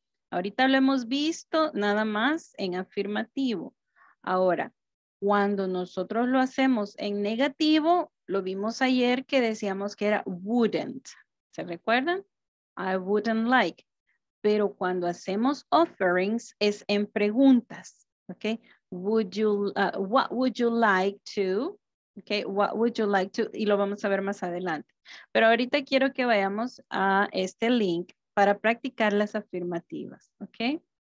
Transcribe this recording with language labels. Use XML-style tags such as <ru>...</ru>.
<es>Ahorita lo hemos visto nada más en afirmativo. Ahora, cuando nosotros lo hacemos en negativo, lo vimos ayer que decíamos que era wouldn't. ¿Se recuerdan?</es> <en>I wouldn't like.</en> <es>Pero cuando hacemos offerings es en preguntas, okay?</es> <en>Would you, what would you like to, okay? What would you like to,</en> <es>y lo vamos a ver más adelante. Pero ahorita quiero que vayamos a este link para practicar las afirmativas, okay?</es>